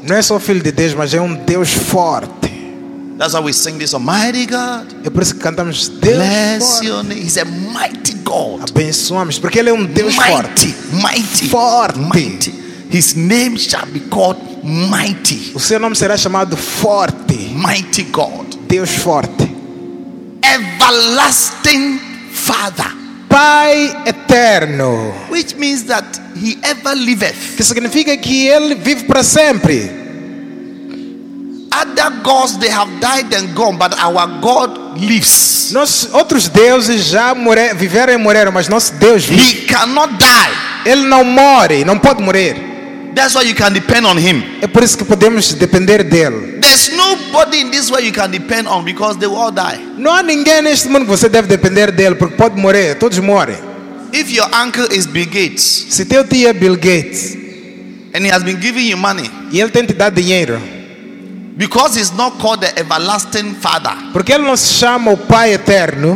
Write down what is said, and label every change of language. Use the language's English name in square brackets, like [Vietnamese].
[Portuguese] Não é só filho de Deus, mas é Deus forte. [English] That's why we sing this, Almighty God. [Portuguese] É por isso que cantamos Deus [English] bless [Portuguese] forte. [English] Your name. He's a mighty God. [Portuguese] Abençoamos, porque ele é Deus [English] mighty, [Portuguese] forte. [English] Mighty, [Portuguese] forte. [English] Mighty. His name shall be called Mighty. [Portuguese] O seu nome será chamado Forte. [English] Mighty God. [Portuguese] Deus forte. [English] Everlasting Father. [Portuguese] Pai eterno. [English] Which means that he ever liveth. [Portuguese] Que significa que ele vive para sempre. [English] Other gods they have died and gone, but our God lives. [Portuguese] Nos outros deuses já viveram e morreram, mas nosso Deus vive. [English] He cannot die. [Portuguese] Ele não morre, não pode morrer. [English] That's why you can depend on him. [Portuguese] É por isso que podemos depender dele. [English] There's nobody in this world you can depend on because they will all die. [Portuguese] Não há ninguém neste mundo que você deve depender dele porque pode morrer, todos morrem. [English] If your uncle is Bill Gates, [Portuguese] se teu tio é Bill Gates, [English] and he has been giving you money, [Portuguese] e ele tem te dado dinheiro, [English] because he's not called the everlasting father, [Portuguese] porque ele não se chama o Pai Eterno,